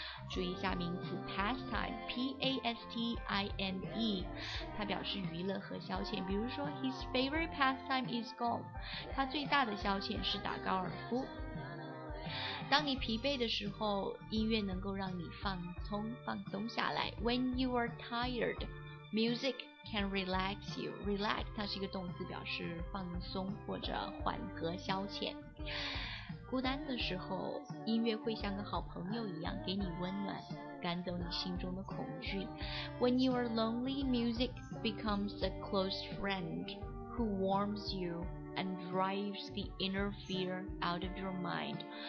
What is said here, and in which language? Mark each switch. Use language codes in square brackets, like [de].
[zh] 注意一下名词 pastime, P-A-S-T-I-M-E, 它表示娱乐和消遣。比如说 [en] his favorite pastime is golf, [zh] 他最大的消遣是打高尔夫。当你疲惫的时候，音乐能够让你放松，放松下来。 [en] When you are tired, music can relax you. [zh] Relax 它是一个动词，表示放松或者缓和消遣。孤单的时候，音乐会像个好朋友一样给你温暖，赶走你心中的恐惧。 [en] When you are lonely, music becomes a close friend who warms you. And drives the inner fear out of your mind.